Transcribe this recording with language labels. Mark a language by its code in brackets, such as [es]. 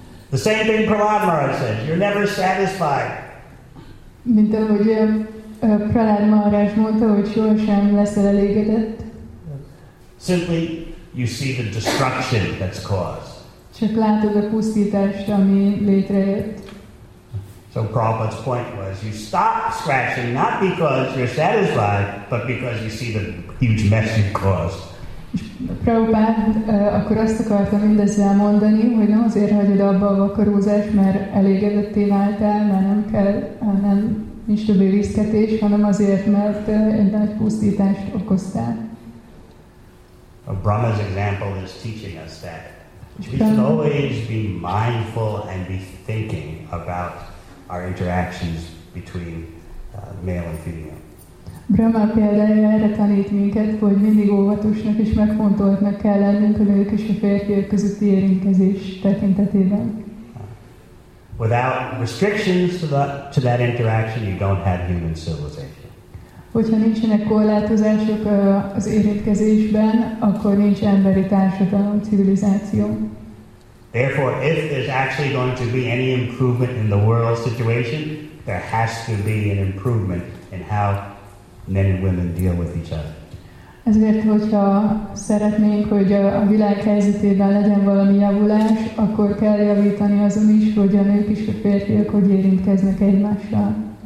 [en] The same thing Prahlad Maharaj says, you're never satisfied. [hu] Mint ahogy Prahlad Maharaj mondta, hogy sohasem leszel elégedett. [en] Simply, you see the destruction that's caused. [hu] Csak látod a pusztítást, ami létrejött. [en] So Prabhupada's point was, you stop scratching not because you're satisfied, but because you see the huge mess you've caused. [hu] Prabhupád akkor azt akarta mindezzel mondani, hogy nem azért hagyod abba a vakarózást, mert elégedetté váltál, mert nem kell, nem nincs többé viszketés, hanem azért, mert egy nagy pusztítást okoztál. [en] A Brahma's example is teaching us that we should always be mindful and be thinking about our interactions between male and female. [hu] Brahma példája erre tanít minket, hogy mindig óvatosnak és megfontoltnak kell lennünk a nők és a férfiak közötti érintkezés tekintetében. [en] Without restrictions to that interaction, you don't have human civilization. [hu] Hogyha nincsenek korlátozások az érintkezésben, akkor nincs emberi társadalom, civilizáció. [en] Therefore, if there's actually going to be any improvement in the world situation, there has to be an improvement in how men and women deal with each other. [hu] Ezért, hogyha szeretnénk, hogy a világ helyzetében legyen valami javulás, akkor kell javítani azon is, hogy a nők és a férfiak hogy érintkeznek egymással.